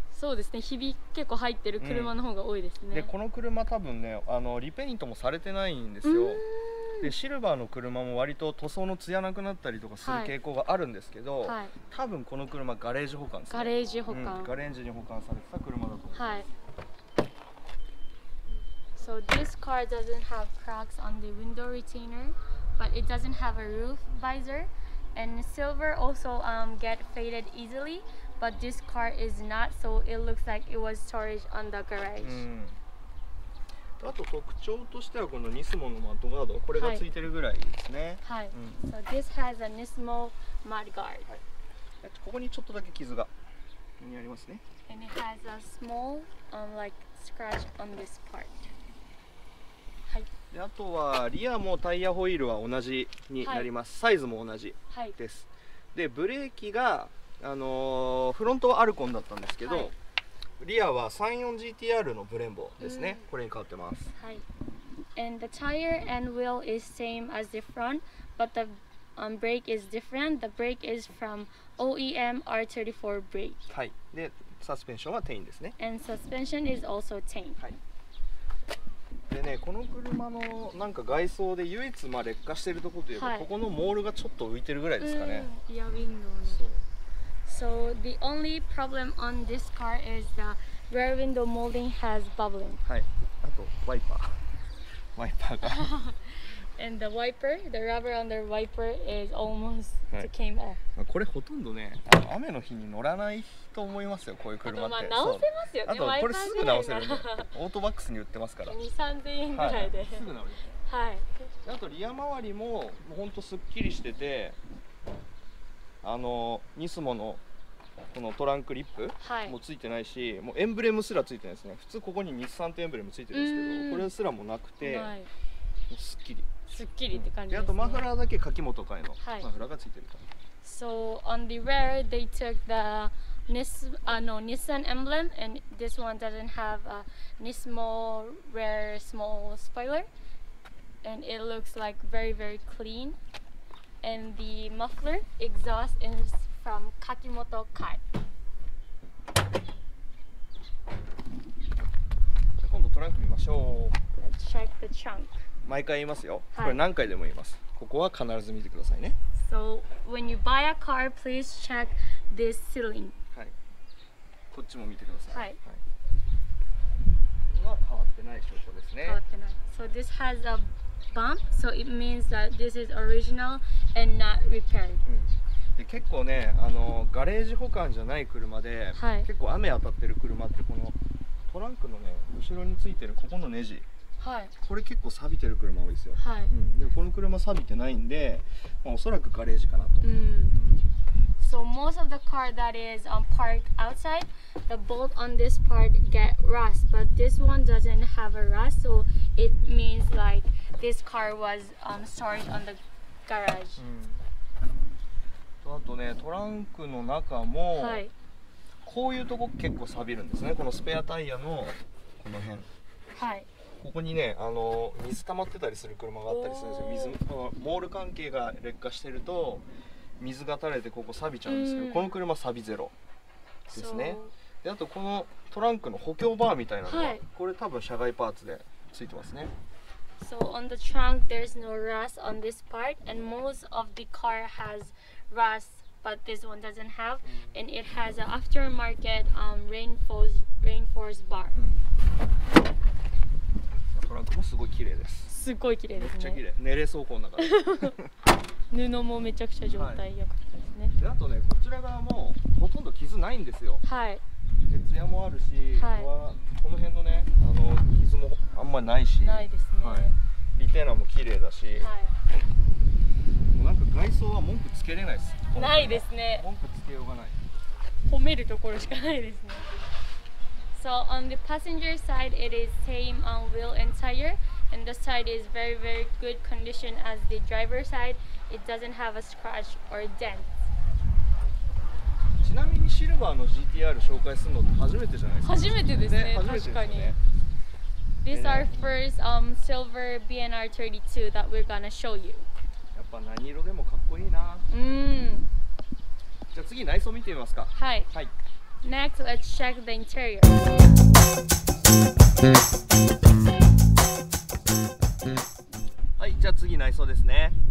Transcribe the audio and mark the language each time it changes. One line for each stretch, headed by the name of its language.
Japanese: そうですね、ひび結構入ってる車の方が多いですね、うん、で、この車多分ね、あのリペイントもされてないんですよ。で、シルバーの車も割と塗装のツヤなくなったりとかする傾向があるんですけど、はい、多分この車ガレージ保管ですね。ガレージ保管、うん、ガレージに保管されてた車だと思います。はい。
English: So this car doesn't have cracks on the window retainer but it doesn't have a roof visor and silver also get faded easily but this car is not so it looks like it was storage on the garage、
Japanese: うん。あと特徴としてはこのニスモのマッドガード、これがついてるぐらいですね。はい。うん、
English: so this has a Nismo mud guard。
Japanese: はい。ここにちょっとだけ傷が見えますね。
English: And it has a small, like scratch on this part。
Japanese: はい。で、あとはリアもタイヤホイールは同じになります。はい、サイズも同じです。はい、で、ブレーキがフロントはアルコンだったんですけど。はい、リアは 34GTR のブレンボですね、うん、これに変わってます。はい。
English: And the tire and wheel is same as the front but the、brake is different. The brake is from OEM R34 brake。
Japanese: はい。で、サスペンションはテインですね。
English: And suspension is also テイン。
Japanese: はい。でね、この車のなんか外装で唯一まあ劣化してるところというか、はい、ここのモールがちょっと浮いてるぐらいですかね、うん、リアウィンドウに。
English: So the only problem on this car is the rear window molding has bubbling.
Japanese: はい。あとワイパー。ワイパーが。
English: And the wiper, the rubber on the wiper is almost、はい、came off.
Japanese: これほとんどね、雨の日に乗らないと思いますよ、こういう車って。あとまあ直せますよね、ワイパーで。あとこれすぐ直せるんで、オートバックスに売ってますから。 2,3,000円ぐらいで。はい、すぐ直る。はい。あとリア周りも本当すっきりしてて。あのニスモのこのトランクリップもついてないし、はい、もうエンブレムすらついてないですね。普通ここに日産とエンブレムついてるんですけど、これすらもなくて、すっきり。すっきりって感じですね。うん、であとマフラーだけ柿本会のマフラーがついてる感じ。
English: はい、so on the rear they took the Nissan emblem and this one doesn't have a Nismo rear small spoiler and it looks like very very clean. And the muffler exhaust is from Kakimoto Kai.
Japanese: 今度トランク見ましょう。
English: Let's check the trunk.
Japanese: 毎回言いますよ。はい、これ何回でも言います。ここは必ず見てくださいね。
English: So when you buy a car, please check this ceiling.
Japanese: はい。こっちも見てください。はい。はい、ここは変わってない証拠ですね。変わってない。
English: So this has a bump, so it means that this is original. And not repaired.
Japanese: うん、で結構ね、ガレージ保管じゃない車で、はい、結構雨当たってる車ってこのトランクのね後ろについてるここのネジ、はい、これ結構錆びてる車多いですよ、はい、うん、でこの車錆びてないんで、まあ、おそらくガレージかなと、
English: うん、So most of the car that is parked outside the bolt on this part get rust but this one doesn't have a rust so it means like this car was stored on theGarage.
Japanese: うん、あとね、トランクの中も、はい、こういうとこ結構錆びるんですね。このスペアタイヤのこの辺。はい。ここにね、水溜まってたりする車があったりするんですよ。水、このモール関係が劣化してると水が垂れてここ錆びちゃうんですけど、この車錆びゼロですね。で、あとこのトランクの補強バーみたいなのが、はい、これ多分車外パーツでついてますね。
English: So on the trunk there's no rust on this part and most of the car has rust but this one doesn't have and it has an aftermarket reinforced bar.
Japanese: トランクもすごい綺麗です。すごい綺麗ですね。めっちゃ綺麗。寝れそうこの中で。布もめちゃくちゃ状態良かったですね、はい、であとね、こちら側もほとんど傷ないんですよ。はい、鉄やもあるし、はい、この辺のね、傷もあんまりないしないですね、はい、リテーナーも綺麗だし、はい、もうなんか外装は文句つけれないです。ないですね。文句つけようがない。褒めるところしかないですね。
English: So on the passenger side it is same on wheel and tire and the side is very very good condition as the driver sideIt doesn't have a scratch or dent.
Japanese: ちなみにシルバーの GTR 紹介するのって初めてじゃないですか。初めてです ね、確かに。
English: This our first silver BNR 32 that we're gonna show you.
Japanese: やっぱ何色でもかっこいいな。じゃあ次内装見てみますか。はい。はい。
English: Next, let's check the interior.
Japanese: はい、じゃあ次内装ですね。